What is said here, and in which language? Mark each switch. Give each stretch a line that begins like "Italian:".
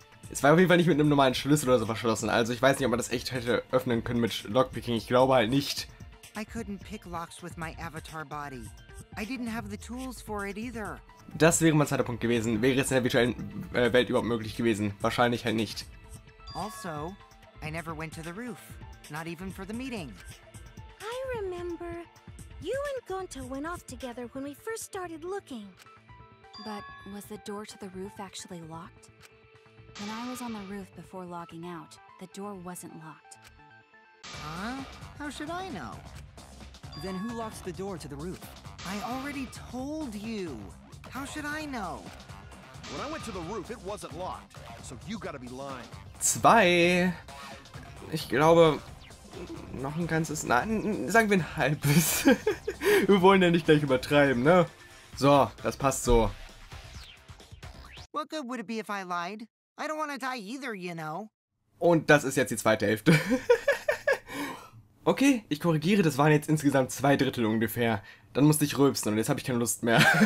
German: Es war auf jeden Fall nicht mit einem normalen Schlüssel oder so verschlossen. Also ich weiß nicht, ob man das echt hätte öffnen können mit Lockpicking. Ich glaube halt nicht.
English: I couldn't pick locks with my avatar body. I didn't have the tools for it either.
German: Das wäre mein zweiter Punkt gewesen. Wäre es in der virtuellen Welt überhaupt möglich gewesen? Wahrscheinlich halt nicht.
English: Also, I never went to the roof. Not even for the meeting. I remember. You and Gonta went off together when we first started looking. But was the door to the roof actually locked? When I was on the roof before logging out, the door wasn't locked. Huh? How should I know? Then who locks the door to the roof? I already told you. How should I know? When I went to the roof, it wasn't locked. So you gotta be lying.
German: Zwei. Ich glaube, noch ein ganzes... Nein, sagen wir ein halbes. Wir wollen ja nicht gleich übertreiben, ne? So, das passt so.
English: What good would it be if I lied? I don't want to die either, you know.
German: Und das ist jetzt die zweite Hälfte. Okay, ich korrigiere, das waren jetzt insgesamt zwei Drittel ungefähr. Dann musste ich rülpsen und jetzt habe ich keine Lust mehr.